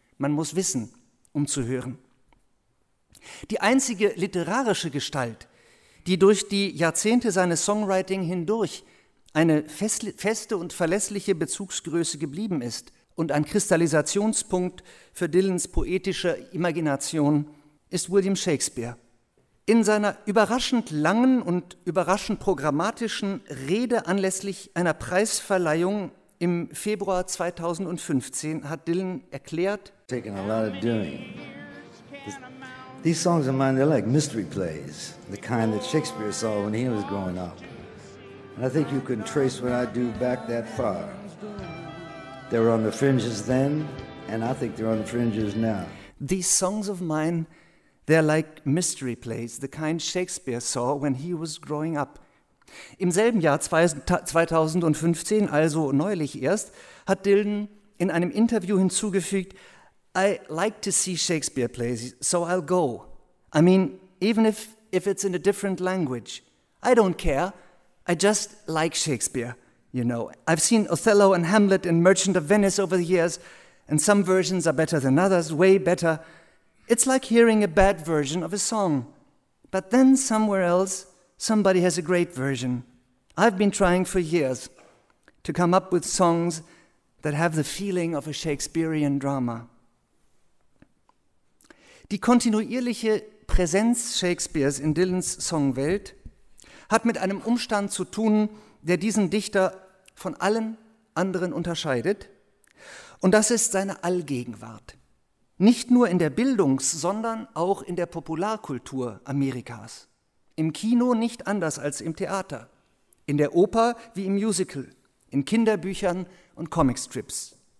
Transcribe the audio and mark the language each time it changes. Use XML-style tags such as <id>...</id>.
<de>Man muss wissen, um zu hören. Die einzige literarische Gestalt, die durch die Jahrzehnte seines Songwriting hindurch eine feste und verlässliche Bezugsgröße geblieben ist und ein Kristallisationspunkt für Dylans poetische Imagination, ist William Shakespeare. In seiner überraschend langen und überraschend programmatischen Rede anlässlich einer Preisverleihung im Februar 2015 hat Dylan erklärt:</de> <en>"Taken a lot of doing. These songs of mine, they're like mystery plays, the kind that Shakespeare saw when he was growing up. And I think you can trace what I do back that far. They were on the fringes then, and I think they're on the fringes now." These songs of mine, they're like mystery plays, the kind Shakespeare saw when he was growing up.</en> <de>Im selben Jahr 2015, also neulich erst, hat Dylan in einem Interview hinzugefügt:</de> <en>"I like to see Shakespeare plays, so I'll go. I mean, even if it's in a different language, I don't care. I just like Shakespeare, you know. I've seen Othello and Hamlet and Merchant of Venice over the years, and some versions are better than others, way better. It's like hearing a bad version of a song. But then somewhere else, somebody has a great version. I've been trying for years to come up with songs that have the feeling of a Shakespearean drama.</en> <de>Die kontinuierliche Präsenz Shakespeares in Dylans Songwelt hat mit einem Umstand zu tun, der diesen Dichter von allen anderen unterscheidet, und das ist seine Allgegenwart, nicht nur in der Bildungs-, sondern auch in der Popularkultur Amerikas, im Kino nicht anders als im Theater, in der Oper wie im Musical, in Kinderbüchern und Comicstrips.</de>